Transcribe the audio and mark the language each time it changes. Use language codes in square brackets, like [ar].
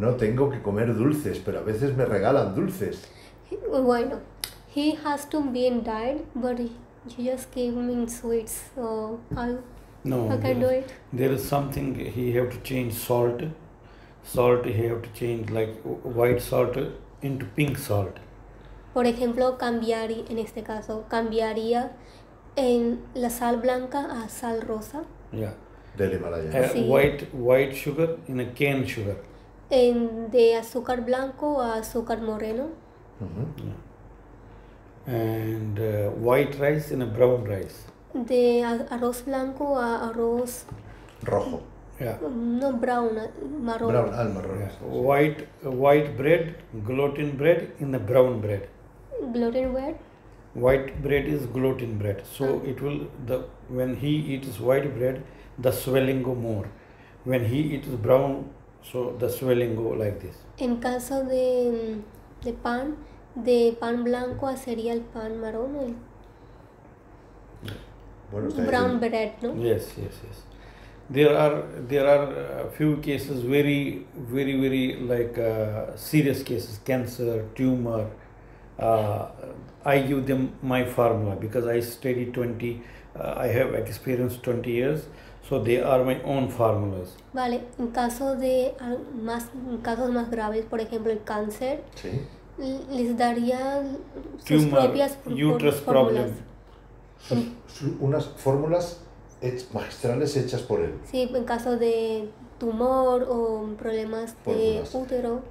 [es] No tengo que comer dulces, pero a veces me regalan dulces. [en] Bueno, he has to be in diet, but you just gave him sweets, so I can do it. There is something he have to change, salt. Salt he have to change, like white salt into pink salt. [es] Por ejemplo, cambiaría, en este caso, cambiaría en la sal blanca a sal rosa. [en] Yeah. [es] Del Himalaya. [en] White sugar in a cane sugar. [es] En de azúcar blanco a azúcar moreno. Mm-hmm. [en] Yeah. And white rice in a brown rice. [es] De arroz blanco a arroz... Rojo. [en] Yeah. [es] No brown, marrón. Brown, al marrón. Yeah. [en] White bread, gluten bread in the brown bread. Gluten bread? White bread is gluten bread. So it will, when he eats white bread, the swelling go more. When he eats brown, so the swelling go like this. [es] En caso de pan blanco, sería el pan marrón, el [en] brown bread, [es] no? [en] Yes, yes, yes. There are a few cases, very, very, very serious cases, cancer, tumor. I give them my formula because I study 20, I have experienced 20 years, so they are my own formulas. [es] Vale, en casos más graves, por ejemplo, el cáncer, sí. Les daría tumor, sus propias [en] uterus [es] fórmulas. Unas fórmulas magistrales hechas por él. Sí, en caso de tumor o problemas de útero.